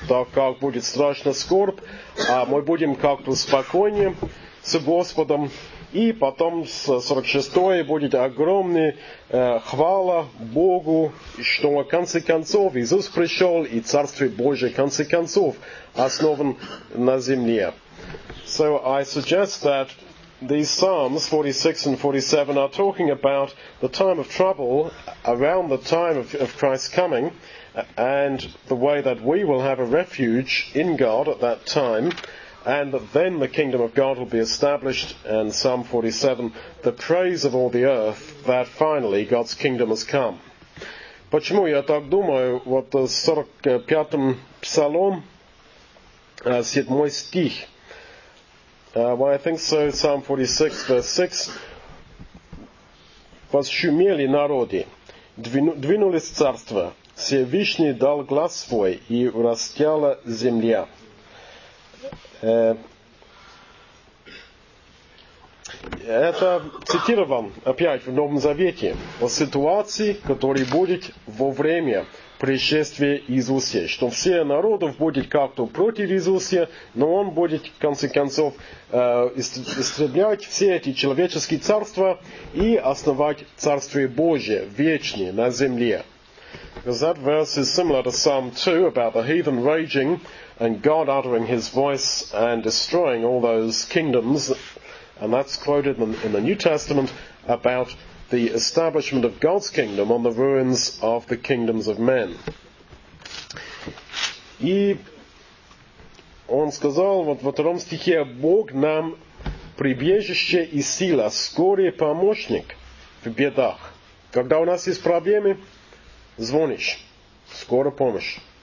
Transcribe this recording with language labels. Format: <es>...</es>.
<ru>Так как будет страшная скорбь, а мы будем как-то спокойнее с Господом. И потом 46 будет огромная хвала Богу, что в конце концов Иисус пришел, и Царствие Божие в конце концов основан на земле.</ru> <en>So I suggest that these Psalms 46 and 47 are talking about the time of trouble around the time of Christ's coming, and the way that we will have a refuge in God at that time. And then the kingdom of God will be established, and Psalm 47, the praise of all the earth, that finally God's kingdom has come.</en> <ru>Почему я так думаю, вот в 45-м псалом, 7 стих?</ru> <en>Well, I think so, Psalm 46, verse 6.</en> <ru>Возшумели народы, двинулись царства, Всевышний дал глаз свой, и растяла земля. Это цитирован опять в Новом Завете о ситуации, которая будет во время пришествия Иисуса, что все народы будут как-то против Иисуса, но он будет в конце концов истреблять все эти человеческие царства и основать Царствие Божие вечное на земле.</ru> <en>Because that verse is similar to Psalm 2 about the heathen raging and God uttering his voice and destroying all those kingdoms. And that's quoted in the New Testament about the establishment of God's kingdom on the ruins of the kingdoms of men.</en> <ru>И он сказал вот в втором стихе, Бог нам прибежище и сила, скорый помощник в бедах. Когда у нас есть проблемы, звонишь, скорая помощь.</ru>